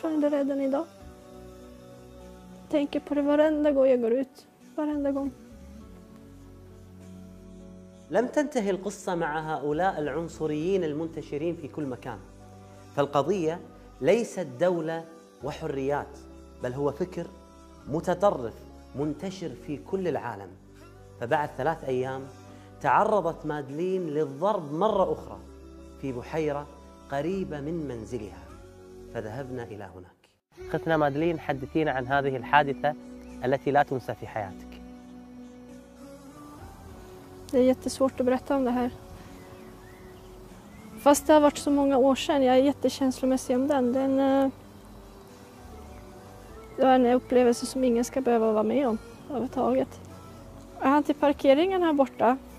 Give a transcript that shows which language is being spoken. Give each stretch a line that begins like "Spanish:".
Swedish: Redan idag. Tänker på det varenda gång jag går ut. Varenda gång.
Arabic: لم تنتهي القصة مع هؤلاء العنصريين المنتشرين في كل مكان. فالقضية ليست دولة وحريات، بل هو فكر متطرف منتشر في كل العالم. فبعد 3 أيام تعرضت مادلين للضرب مرة أخرى في بحيرة قريبة من منزلها. فذهبنا إلى هناك. اختنا مادلين حدثينا عن هذه الحادثة التي لا تنسى في حياتك.
Swedish: Det är jättesvårt att berätta om det här. Fast det har varit så många år sedan, jag är jättekänslomässig om den. Det var en upplevelse som ingen ska behöva vara med om överhuvudtaget. Jag hann till parkeringen här borta.